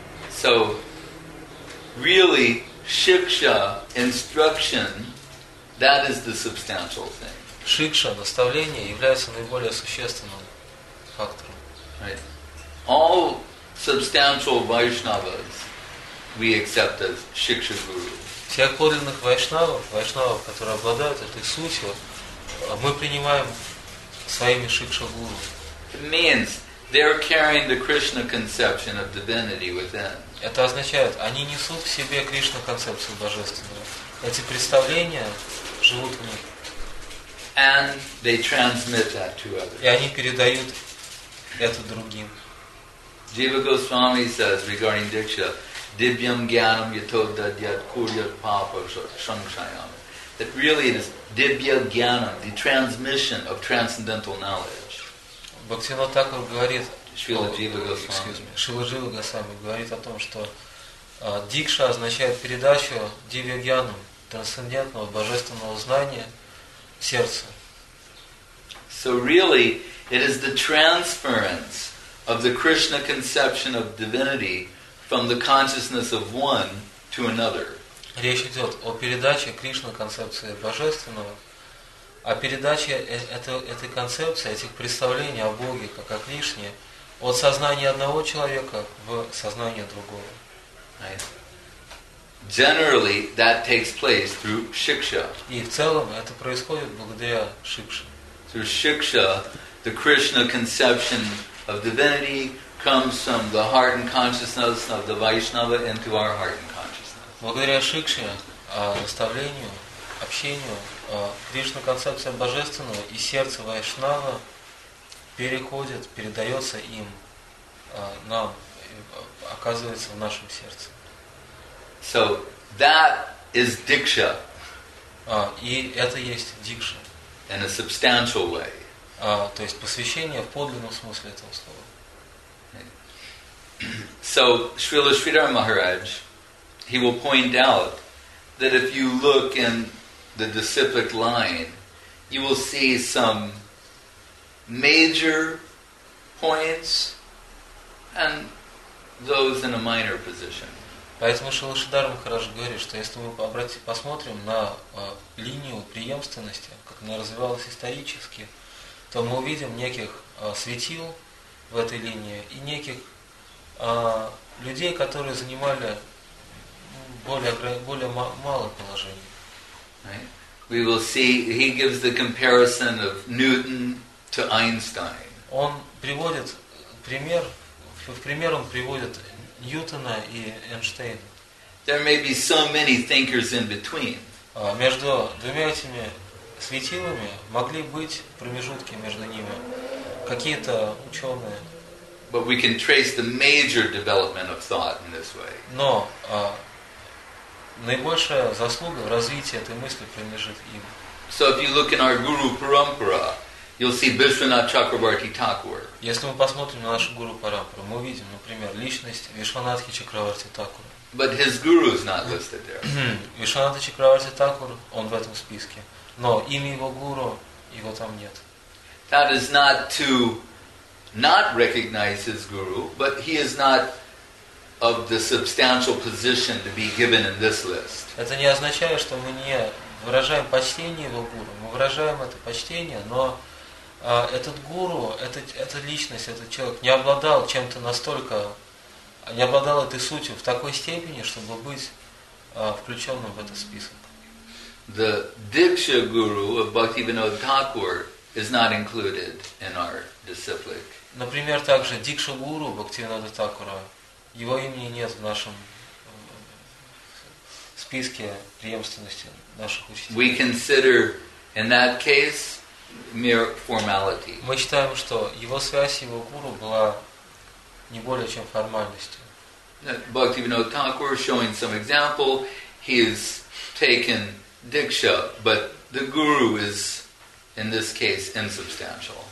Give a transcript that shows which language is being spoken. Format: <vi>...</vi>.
<en>So really, shiksha, instruction, that is the substantial thing.</en> <ru>Shiksha, наставление, является наиболее существенным фактором.</ru> <en>Right. All substantial Vaishnavas we accept as shiksha gurus.</en> <ru>Всех подлинных вайшнавов, которые обладают этой сутью, мы принимаем своими шикша гуру.</ru> <en>It means they're carrying the Krishna conception of divinity within.</en> <ru>Это означает, они несут в себе Кришна-концепцию божественную. Эти представления, живут в ней.</ru> <en>And they transmit that to others.</en> <ru>И они передают это другим.</ru> <en>Jiva Goswami says regarding Diksha,</en> <sa>Dibyam Gyanam Yatodad Yat Kuryat Papa Shangshayam.</sa> <en>That really is Dibya Gyanam, the transmission of transcendental knowledge.</en> <ru>Bhaktivinoda Thakur говорит, Шрила Джива Госвами. Шрила Джива Госвами говорит о том, что дикша означает передачу Дивья Гьяну, трансцендентного божественного знания в сердце.</ru> <en>So really, it is the transference of the Krishna conception of divinity from the consciousness of one to another.</en> <ru>Речь идет о передаче Кришна концепции божественного, о передаче этой концепции, этих представлений о Боге, как о Кришне, от сознания одного человека в сознание другого.</ru> <en>Generally, that takes place through shiksha.</en> <ru>И в целом это происходит благодаря шикше.</ru> <en>Through shiksha, the Krishna conception of divinity comes from the heart and consciousness of the Vaishnava into our heart and consciousness.</en> <ru>Благодаря шикше, наставлению, общению, Кришна концепция божественного и сердце Вайшнава переходит, передается им, нам, оказывается в нашем сердце.</ru> <en>So that is diksha.</en> <ru>И это есть дикша.</ru> <en>In a substantial way.</en> <ru>То есть посвящение в подлинном смысле этого слова.</ru> <en>So Srila Sridhara Maharaj, he will point out that if you look in the disciplic line, you will see some major points and those in a minor position.</en> <ru>Поэтому Шрила Шридхара Махарадж говорит, что если мы посмотрим на линию преемственности, как она развивалась исторически, то мы увидим неких светил в этой линии и неких людей, которые занимали более малое положение.</ru> <en>We will see, he gives the comparison of Newton to Einstein.</en> <ru>Он приводит пример, в пример он приводит Ньютона и Эйнштейна.</ru> <en>There may be so many thinkers in between.</en> <ru>Между двумя этими светилами могли быть промежутки между ними, какие-то ученые.</ru> <en>But we can trace the major development of thought in this way.</en> <ru>Но наибольшая заслуга в развитии этой мысли принадлежит им.</ru> <en>So if you look in our Guru Parampara, you'll see Vishwanath Chakravarti Thakur.</en> <ru>Если мы посмотрим на нашу гуру парампару, мы увидим, например, личность Вишванатхи Чакраварти Такура.</ru> <en>But his guru is not listed there.</en> <ru>Вишванатхи Чакраварти Такур, он в этом списке, но имя его гуру его там нет.</ru> <en>That is not to not recognize his guru, but he is not of the substantial position to be given in this list.</en> <ru>Это не означает, что мы не выражаем почтение его гуру. Мы выражаем это почтение, но этот гуру, эта личность, этот человек не обладал чем-то настолько, не обладал этой сутью в такой степени, чтобы быть включенным в этот список.</ru> <en>The Diksha Guru of Bhaktivinoda Thakur is not included in our disciplic.</en> <ru>Например, также Дикша Гуру Бхактивинода Такура, его имени нет в нашем списке преемственности наших учителей.</ru> <en>We consider in that case mere formality.</en> <ru>Мы считаем, что его связь, его гуру была не более чем формальностью.</ru> <en>Bhaktivinoda Thakur showing some example, he has taken diksha, but the guru is in this case insubstantial.</en>